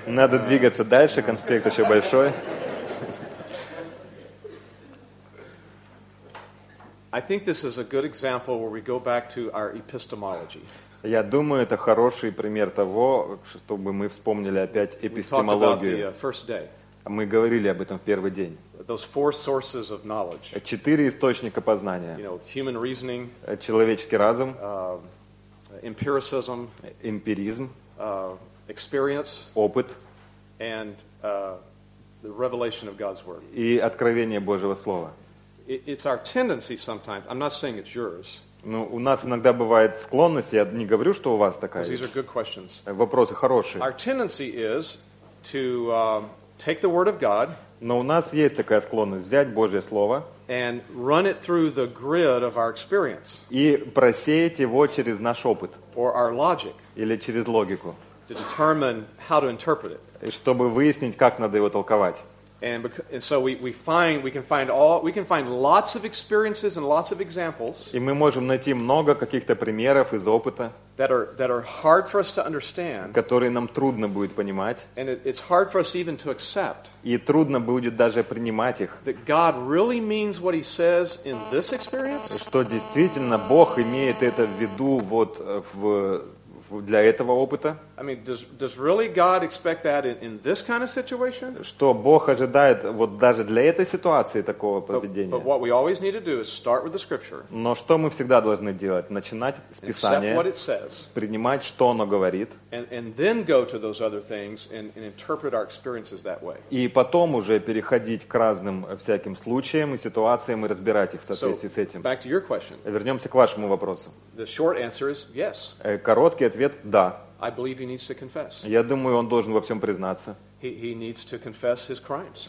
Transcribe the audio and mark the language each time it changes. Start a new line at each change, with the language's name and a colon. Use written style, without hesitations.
Russian: Надо двигаться дальше, конспект еще большой.
English: I think this is a good example where we go back to our epistemology.
Russian: Я думаю, это хороший пример того, чтобы мы вспомнили опять эпистемологию.
English: We talked about the first day.
Russian: Мы говорили об этом в первый день.
English: Those four sources of knowledge.
Russian: Четыре источника познания.
English: You know, human reasoning.
Russian: Человеческий разум.
English: Empiricism.
Russian: Эмпиризм.
English: Experience.
Russian: Опыт.
English: And the revelation of God's word.
Russian: И откровение Божьего слова.
English: It's our tendency sometimes. I'm not saying it's yours.
Russian: Ну, у нас иногда бывает склонность. Я не говорю, что у вас такая.
English: These are good questions.
Russian: Вопросы хорошие.
English: Our tendency is to take the word of God.
Russian: Но у нас есть такая склонность взять Божье Слово
English: and run it through the grid of our experience.
Russian: И просеять его через наш опыт
English: or our logic.
Russian: Или через логику,
English: to determine how to interpret it.
Russian: И чтобы выяснить, как надо его толковать.
English: And so we can find lots of experiences and lots of examples.
Russian: И мы можем найти много каких-то примеров из опыта,
English: that are hard for us to understand.
Russian: Которые нам трудно будет понимать.
English: And it's hard for us even to accept.
Russian: И трудно будет даже принимать их.
English: That God really means what He says in this experience.
Russian: Что действительно Бог имеет это в виду вот для этого опыта?
English: I mean, does really God expect that in this kind of situation?
Russian: Что Бог ожидает вот даже для этой ситуации такого поведения?
English: But what we always need to do is start with the scripture.
Russian: Но что мы всегда должны делать? Начинать с Писания.
English: Accept what it says.
Russian: Принимать, что оно говорит.
English: And then go to those other things and interpret our experiences that way.
Russian: И потом уже переходить к разным всяким случаям и ситуациям и разбирать их в соответствии с этим.
English: Back to your question.
Russian: Вернемся к вашему вопросу.
English: The short answer is yes.
Russian: Короткий ответ – да.
English: I believe he needs to confess.
Russian: Я думаю, он должен во всем признаться.
English: He needs to confess his crimes.